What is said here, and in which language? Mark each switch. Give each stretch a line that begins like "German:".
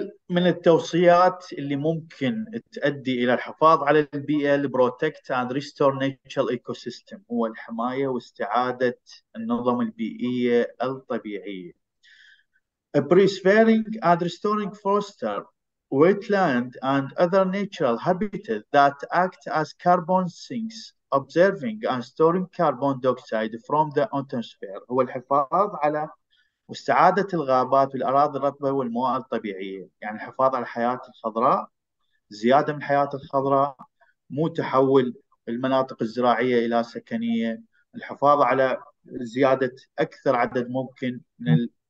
Arabic: من التوصيات اللي ممكن تؤدي إلى الحفاظ على البيئة، البروتكت اند ريستور ناتشرال ايكو سيستم، هو الحماية واستعادة النظم البيئية الطبيعية.
English: Preserving and restoring forester, wetland and other natural habitat that act as carbon sinks, observing and storing carbon dioxide from the atmosphere.
Arabic: هو الحفاظ على واستعادة الغابات والأراضي الرطبة والمواد الطبيعية، يعني الحفاظ على الحياة الخضراء، زيادة من الحياة الخضراء، مو تحول المناطق الزراعية إلى سكنية، الحفاظ على زيادة أكثر عدد ممكن من